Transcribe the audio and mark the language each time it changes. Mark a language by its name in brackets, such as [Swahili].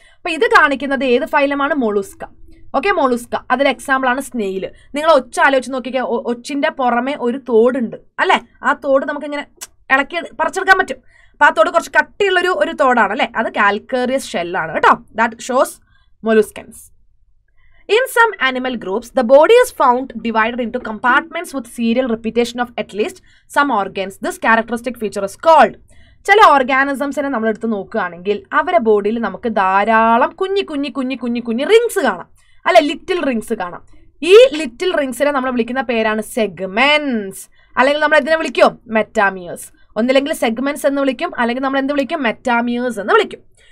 [Malayalam] അപ്പം ഇത് കാണിക്കുന്നത് ഏത് ഫൈലമാണ്? മോളൂസ്ക. ഓക്കെ, മോളൂസ്ക. അതിൽ എക്സാമ്പിളാണ് സ്നെയിൽ. നിങ്ങൾ ഒച്ച ആലോചിച്ച് നോക്കിക്കുക, ഒച്ചിൻ്റെ പുറമെ ഒരു തോടുണ്ട് അല്ലേ. ആ തോട് നമുക്കിങ്ങനെ ഇളക്കി പറിച്ചെടുക്കാൻ പറ്റും. അപ്പം ആ തോട് കുറച്ച് കട്ടിയുള്ളൊരു ഒരു തോടാണ് അല്ലേ, അത് കാൽക്കേറിയസ് ഷെല്ലാണ് കേട്ടോ. [English] That shows Molluscans. In some animal groups, the body is found divided into compartments with serial repetition of at least some organs. This characteristic feature is called. [Malayalam] ചില ഓർഗാനിസംസിനെ നമ്മൾ എടുത്ത് നോക്കുകയാണെങ്കിൽ അവരെ ബോഡിയിൽ നമുക്ക് ധാരാളം കുഞ്ഞി കുഞ്ഞി കുഞ്ഞി കുഞ്ഞി കുഞ്ഞി റിങ്സ് കാണാം, അല്ലെ, ലിറ്റിൽ റിങ്സ് കാണാം. ഈ ലിറ്റിൽ റിങ്സിനെ നമ്മൾ വിളിക്കുന്ന പേരാണ് സെഗ്മെന്റ്സ്, അല്ലെങ്കിൽ നമ്മൾ എന്തിനെ വിളിക്കും? മെറ്റാമിയേഴ്സ്. ഒന്നില്ലെങ്കിൽ സെഗ്മെന്റ്സ് എന്ന് വിളിക്കും, അല്ലെങ്കിൽ നമ്മൾ എന്ത് വിളിക്കും? മെറ്റാമിയേഴ്സ് എന്ന് വിളിക്കും.